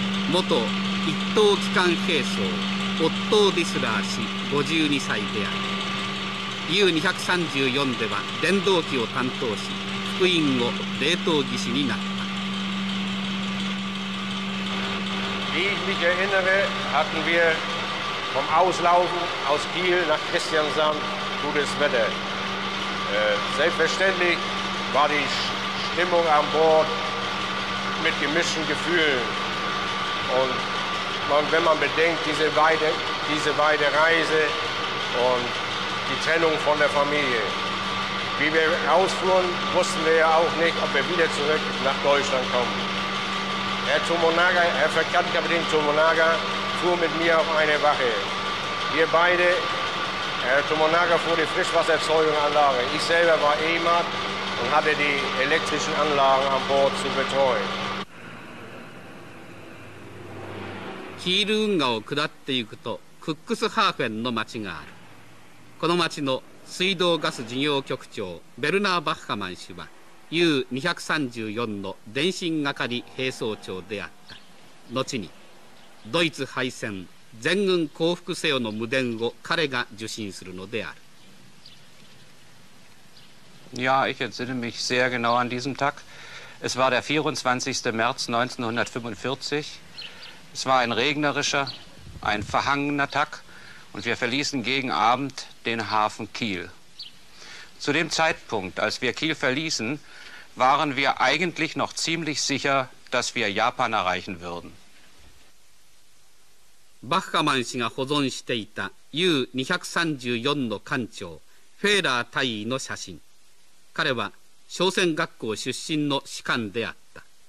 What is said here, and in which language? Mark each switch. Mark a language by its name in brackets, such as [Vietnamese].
[Japanese] 元一等機関兵曹オットー・ディスラー氏52歳である。 U234 では電動機を担当し、副員を冷凍技師になった。 [German] Ich mich erinnere, hatten wir vom Auslaufen aus Kiel nach Kristiansand gutes Wetter. Selbstverständlich war die Stimmung an Bord mit gemischten Gefühlen. Und man, wenn man bedenkt, diese weite Reise und die Trennung von der Familie. Wie wir rausfuhren, wussten wir ja auch nicht, ob wir wieder zurück nach Deutschland kommen. Herr Fregattenkapitän Tomonaga fuhr mit mir auf eine Wache. Wir beide... Herr Tomonaga fuhr die Frischwassererzeugungsanlage. Ich selber war E-Mat und hatte die elektrischen Anlagen an Bord zu betreuen. [Japanese] Kiel 運河を下っていくとクックスハーフェンの町がある。この町の水道ガス事業局長ベルナー・バッハマン氏は U234 の電信係兵装長であった。後にドイツ敗戦全軍降伏せよの無電を彼が受信するのである。 [German] Ja, ich erinnere mich sehr genau an diesen Tag. Es war der 24. März 1945. Es war ein regnerischer, ein verhangener Tag und wir verließen gegen Abend den Hafen Kiel. Zu dem Zeitpunkt, als wir Kiel verließen, waren wir eigentlich noch ziemlich sicher, dass wir Japan erreichen würden. [Japanese] バッハマン氏が保存していた U234 の艦長フェーラー大尉の写真。彼は商船学校出身の士官であった。